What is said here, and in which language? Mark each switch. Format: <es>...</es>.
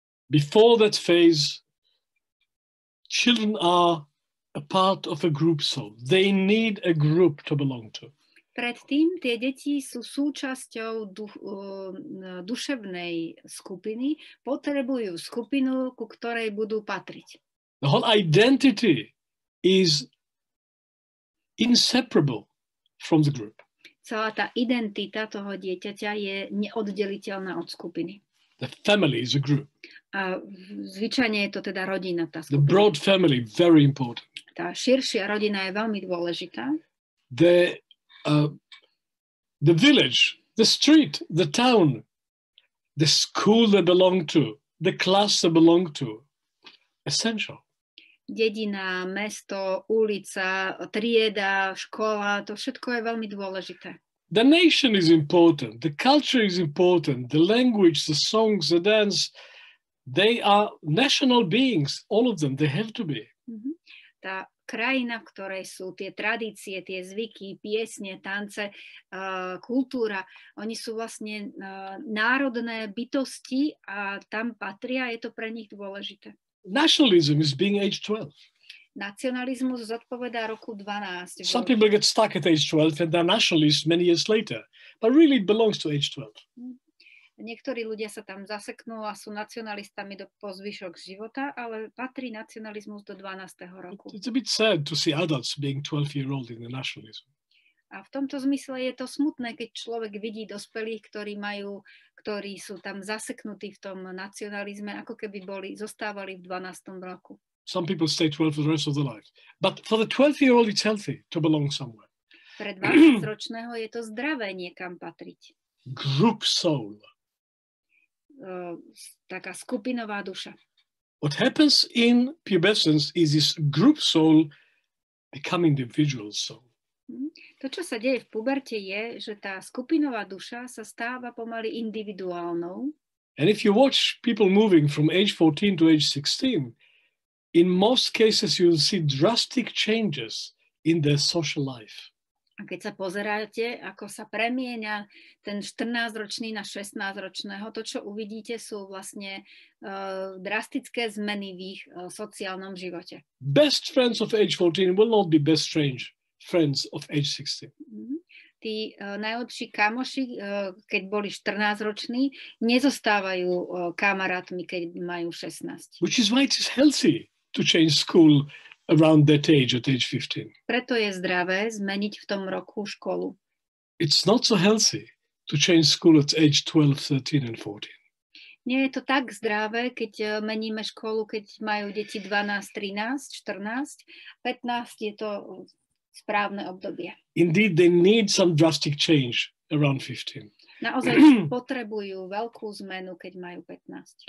<en>Before that phase, children are a part of a group soul. They need a group to belong to.</en> <sk>Predtým tie deti sú súčasťou duševnej skupiny, potrebujú skupinu, ku ktorej budú patriť.</sk> <en>The whole identity is inseparable from the group.</en> <sk>Celá tá identita toho dieťaťa je neoddeliteľná od skupiny.</sk> <en>The family is a group.</en> <sk>A zvyčajne je to teda rodina, tá skupina.</sk> <en>The broad family, very important.</en> <sk>Tá širšia rodina je veľmi dôležitá.</sk> <en>The village, the street, the town, the school they belong to, the class they belong to, essential.</en> <sk>Dedina, mesto, ulica, trieda, škola, to všetko je veľmi dôležité.</sk> <en>The nation is important, the culture is important, the language, the songs, the dance, they are national beings, all of them, they have to be.</en> <sk>Tá krajina, v ktorej sú tie tradície, tie zvyky, piesne, tance, kultúra, oni sú vlastne národné bytosti a tam patria, je to pre nich dôležité.</sk> <en>Nationalism is being age 12.</en> <sk>Nacionalizmus zodpovedá roku 12.</sk> <en>Some people get stuck at age 12 and they're nationalists many years later. But really it belongs to age 12.</en> <sk>Niektorí ľudia sa tam zaseknú a sú nacionalistami do pozvyšok života, ale patrí nacionalizmus do 12. roku.</sk> <en>It's a bit sad to see adults being 12-year-old in the nationalism.</en> <sk>A v tomto zmysle je to smutné, keď človek vidí dospelých, ktorí sú tam zaseknutí v tom nacionalizme, ako keby zostávali v 12. roku.</sk> <en>Some people stay 12 for the rest of their life. But for the 12-year-old it's healthy to belong somewhere.</en> <sk>Pre 12-ročného je to zdravé niekam patriť.</sk> <en>Group soul.</en> <sk>Taká skupinová duša.</sk> <en>What happens in pubescence is this group soul become individual soul.</en> <sk>To, čo sa deje v puberte, je, že tá skupinová duša sa stáva pomaly individuálnou.</sk> <en>And if you watch people moving from age 14 to age 16, in most cases you will see drastic changes in their social life.</en> <sk>A keď sa pozeráte, ako sa premieňa ten 14-ročný na 16-ročného, to, čo uvidíte, sú vlastne drastické zmeny v ich sociálnom živote.</sk> <en>Best friends of age 14 will not be best strange friends of age 16.</en> <sk>Tí najlepší kamoši, keď boli 14-roční, nezostávajú kamarátmi, keď majú 16.</sk> <en>Which is why it's healthy to change school around that age, at age 15.</en> <sk>Preto je zdravé zmeniť v tom roku školu.</sk> <en>It's not so healthy to change school at age 12, 13 and 14.</en> <sk>Nie je to tak zdravé, keď meníme školu, keď majú deti 12, 13, 14, 15 je to správne obdobie.</sk> <en>Indeed, they need some drastic change around 15.</en> <sk>Naozaj potrebujú veľkú zmenu, keď majú 15.</sk>